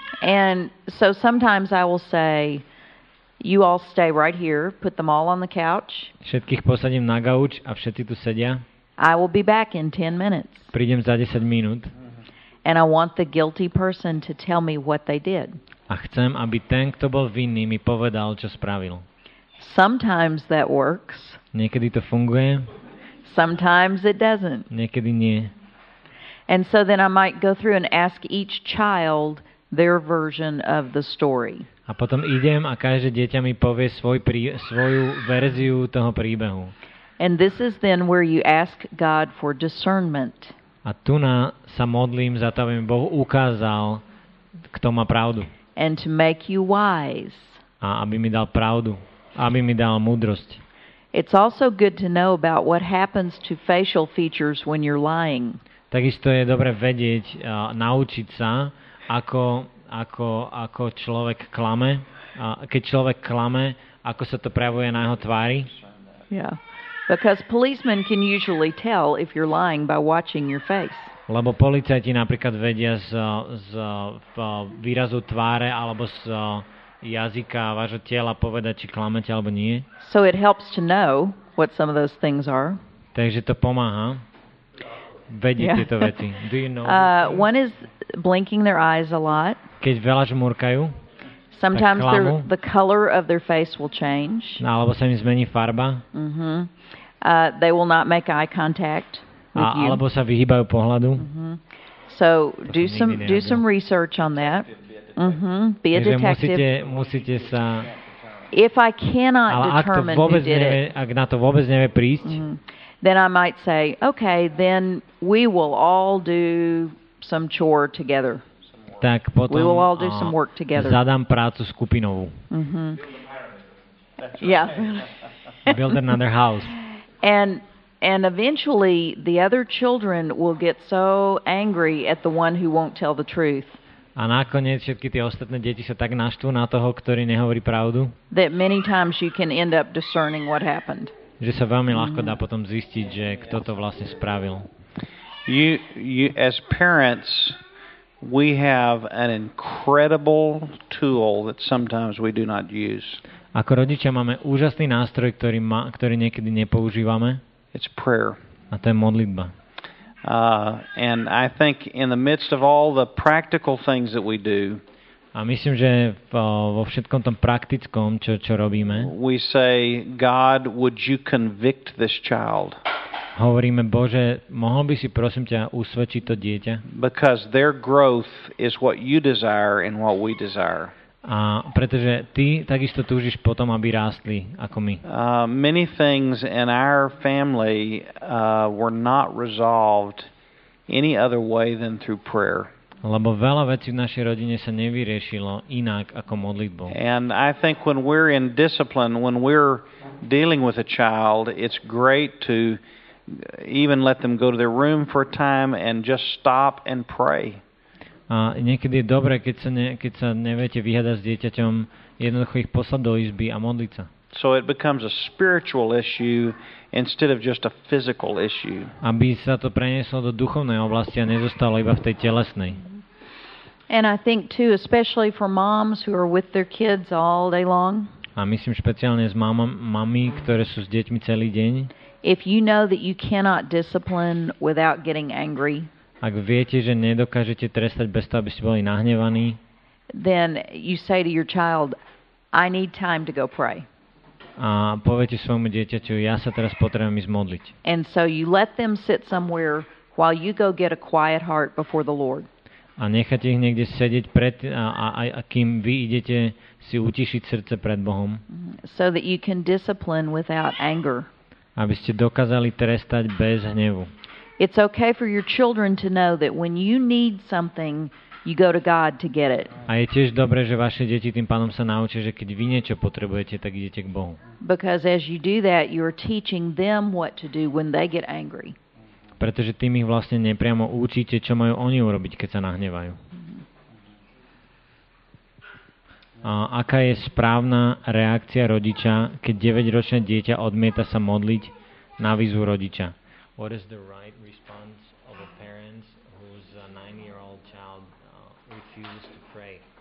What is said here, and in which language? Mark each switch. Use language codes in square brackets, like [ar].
[en] And so sometimes I will say, you all stay right here, put them all on the couch. [sk] Všetkých posadím na gauč a všetci tu sedia. [en] I will be back in 10 minutes. [sk] Prídem za 10 minút. [en] And I want the guilty person to tell me what they did. [sk] A chcem, aby ten, kto bol vinný, mi povedal, čo spravil. [en] Sometimes that works. [sk] Niekedy to funguje. [en] Sometimes it doesn't. [sk] Niekedy nie. [en] And so then I might go through and ask each child their version of the story. [sk] A potom idem a každé dieťa mi povie svoju verziu toho príbehu. [en] And this is then where you ask God for discernment. [sk] A tu na sa modlím za to, aby mi Boh ukázal, kto má pravdu. [en] And to make you wise. [sk] A aby mi dal pravdu, aby mi dal múdrosť. [en] It's also good to know about what happens to facial features when you're lying. [sk] Takisto je dobre vedieť, naučiť sa, ako človek klame, keď človek klame, ako sa to prejavuje na jeho tvári. Yeah. [en] Because policemen can usually tell if you're lying by watching your face. [sk] Lebo policajti napríklad vedia z výrazu tváre alebo z jazyka vášho tela povedať, či klamete alebo nie. [en] So it helps to know what some of those things are. [sk] Takže to pomáha vedieť tieto veci. [en] Do you know? One is blinking their eyes a lot. [sk] Keď veľa žmúrkajú. [en] Sometimes the color of their face will change. [sk] No, alebo sa im zmení farba. Mm-hmm. [en] They will not make eye contact with you. [sk] Alebo sa vyhýbajú pohľadu. Mm-hmm. [en] So do some research on that. Mm-hmm. Be a detective. [sk] Musíte sa. [en] If I cannot determine who did it, [sk] ak na to vôbec nevie prísť, mm-hmm, [en] then I might say, okay, then we will all do some chore together. [sk] Tak potom, [en] we will all do some work together. [sk] Zadám prácu skupinovú. Mm-hmm. Yeah. [en] Build another house. And eventually the other children will get so angry at the one who won't tell the truth. [sk] A nakoniec všetky tie ostatné deti sa tak naštvú na toho, ktorý nehovorí pravdu. [en] That many times you can end up discerning what happened. [sk] Že sa veľmi ľahko dá potom zistiť, že kto to vlastne spravil. [en] You as parents, we have an incredible tool that sometimes we do not use. [sk] Ako rodičia máme úžasný nástroj, ktorý niekedy nepoužívame. [en] It's prayer. [sk] A to je modlitba. [en] And I think in the midst of all the practical things that we do, [sk] a myslím, že vo všetkom tom praktickom, čo robíme, [en] we say, God, would you convict this child? [sk] Hovoríme, Bože, mohol by si prosím ťa usvedčiť to dieťa? [en] Because their growth is what you desire and what we desire. [sk] A pretože ty takisto túžiš potom, aby rástli ako my. [en] Many things in our family were not resolved any other way than through prayer. [sk] Lebo veľa vecí v našej rodine sa nevyriešilo inak ako modlitbou. [en] And I think when we're in discipline, when we're dealing with a child, it's great to even let them go to their room for a time and just stop and pray. [sk] A niekedy je dobré, keď sa neviete vyhadať s dieťaťom, jednoducho ich poslať do izby a modliť sa. [en] So it becomes a spiritual issue instead of just a physical issue. [sk] Aby sa to prenieslo do duchovnej oblasti a nezostalo iba v tej telesnej. [en] And I think too, especially for moms who are with their kids all day long. [sk] A myslím špeciálne s mami, ktoré sú s deťmi celý deň. [en] If you know that you cannot discipline without getting angry, [sk] ak viete, že nedokážete trestať bez toho, aby ste boli nahnevaní, [en] then you say to your child, I need time to go pray. [sk] A poviete svojmu dieťaťu, ja sa teraz potrebujem ísť modliť. [en] And so you let them sit somewhere while you go get a quiet heart before the Lord. [sk] A necháte ich niekde sedieť pred a kým vy idete si utišiť srdce pred Bohom. [en] So that you can discipline without anger. [sk] Aby ste dokázali trestať bez hnevu. [en] It's okay for your children to know that when you need something, you go to God to get it. [sk] A je tiež dobré, že vaše deti tým pánom sa naučia, že keď vy niečo potrebujete, tak idete k Bohu. [en] Because as you do that, you're teaching them what to do when they get angry. [sk] Pretože tým ich vlastne nepriamo učíte, čo majú oni urobiť, keď sa nahnevajú. Aká je správna reakcia rodiča, keď 9-ročné dieťa odmieta sa modliť na výzvu rodiča? [en] What is the right response of a parent whose 9-year-old child refuses to pray?